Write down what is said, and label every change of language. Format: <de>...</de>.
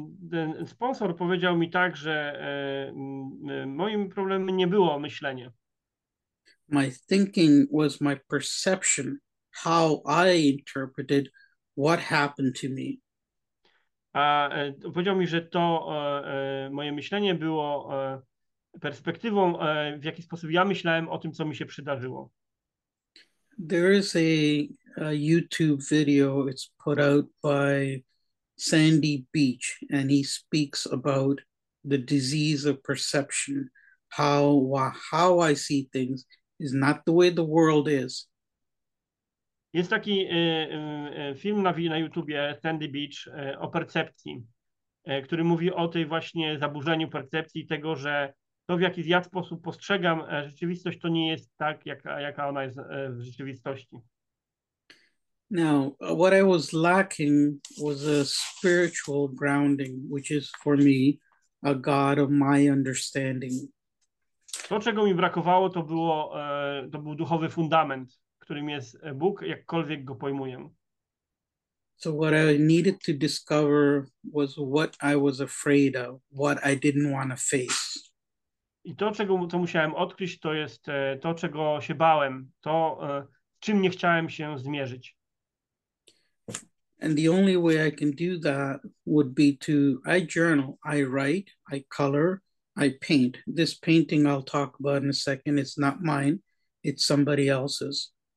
<pl>Ten sponsor powiedział mi tak, że moim problemem nie było myślenie.</pl> <en>My thinking was my perception, how I interpreted what happened to me.</en> <pl>A powiedział mi, że to moje myślenie było perspektywą, w jaki sposób ja myślałem o tym, co mi się przydarzyło.</pl> <en>There is a YouTube video, it's put out by Sandy Beach, and he speaks about the disease of perception, how I see things is not the way the world is.</en> <pl>Jest taki film na YouTubie, Sandy Beach, o percepcji, który mówi o tej właśnie zaburzeniu percepcji, tego, że to, w jaki ja sposób postrzegam rzeczywistość, to nie jest tak, jaka ona jest w rzeczywistości.</pl> <en>Now, what I was lacking was a spiritual grounding, which is for me a God of my understanding.</en> <pl>To, czego mi brakowało, to był duchowy fundament, którym jest Bóg, jakkolwiek go pojmuję.</pl> <en>So what I needed to discover was what I was afraid of, what I didn't want to face.</en> <pl>I to, czego to musiałem odkryć, to jest to, czego się bałem, to, czym nie chciałem się zmierzyć.</pl> <en>And the only way I can do that would be to, I journal, I write, I color, I paint. This painting I'll talk about in a second, it's not mine, it's somebody else's.</en>